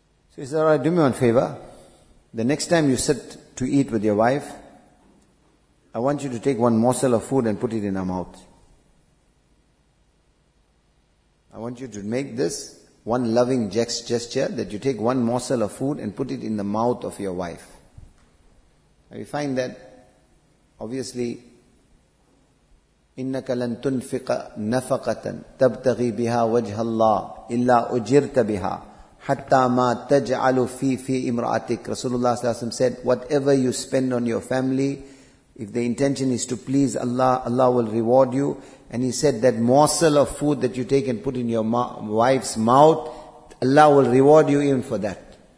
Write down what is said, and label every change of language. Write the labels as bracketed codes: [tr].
[en] So he said, all right, do me one favor. The next time you sit to eat with your wife, I want you to take one morsel of food and put it in her mouth. I want you to make this one loving gesture that you take one morsel of food and put it in the mouth of your wife. And we find that obviously, [ar] إِنَّكَ لَن تُنْفِقَ نَفَقَةً تَبْتَغِي بِهَا وَجْهَ اللَّهِ إِلَّا أُجِرْتَ بِهَا حَتَّى مَا تَجْعَلُ فِي إِمْرَأَتِكَ. [en] Rasulullah ﷺ said, whatever you spend on your family, if the intention is to please Allah, Allah will reward you. And he said that morsel of food that you take and put in your wife's mouth, Allah will reward you even for that.